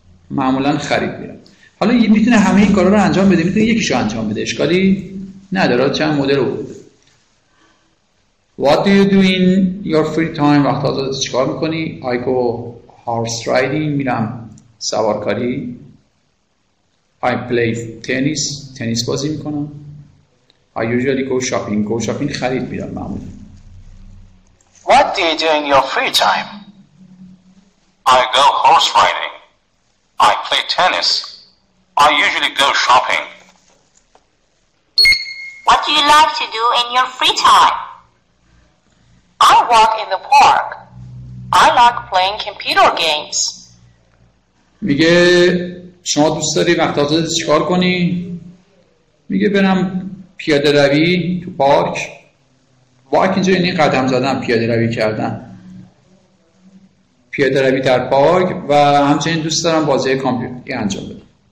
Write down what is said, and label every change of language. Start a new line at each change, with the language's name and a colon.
Persian: معمولا خرید میرم. حالا میتونه همه این کارا رو انجام بده، میتونه یکیشو انجام بده، اشکالی نداره. چند مدل رو بده.
English: What do you do in your free time؟
Persian: وقت آزادت چیکار میکنی؟
English: I go horse riding.
Persian: میرم سوارکاری.
English: I play tennis.
Persian: تنیس بازی میکنم.
English: I usually go shopping.
Persian: Go shopping خرید میرم معمولا.
English: What do you do in your free time؟ I go horse riding. I play tennis. I usually go shopping. What do you like to do in your free time? I walk in the park. I like playing computer games.
Persian: میگه شما دوست داری وقت آزادت چیکار کنی؟ میگه برم پیاده روی تو پارک. واک اینجا یعنی قدم زدن، پیاده روی کردن. پیاده روی در پارک و همچنین دوست دارم بازی کامپیوتری انجام بدم.